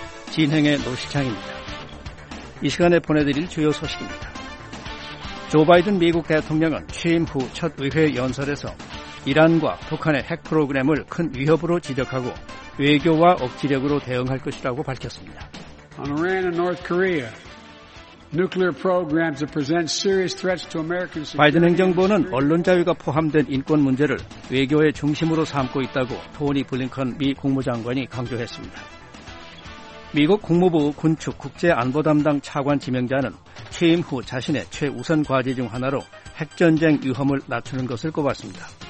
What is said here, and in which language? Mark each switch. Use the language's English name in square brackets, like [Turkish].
[Korean] 진행의 노시창입니다. 이 시간에 보내드릴 주요 소식입니다. 조 바이든 미국 대통령은 취임 후 첫 의회 연설에서 이란과 북한의 핵 프로그램을 큰 위협으로 지적하고 외교와 억지력으로 대응할 것이라고 밝혔습니다. [English] On Iran and North Korea, nuclear programs that present serious threats to American security. [Korean] 바이든 행정부는 언론 자유가 포함된 인권 문제를 외교의 중심으로 삼고 있다고 토니 블링컨 미 국무장관이 강조했습니다. 미국 국무부 군축 국제안보 담당 차관 지명자는 취임 후 자신의 최우선 과제 중 하나로 핵전쟁 위험을 낮추는 것을 꼽았습니다.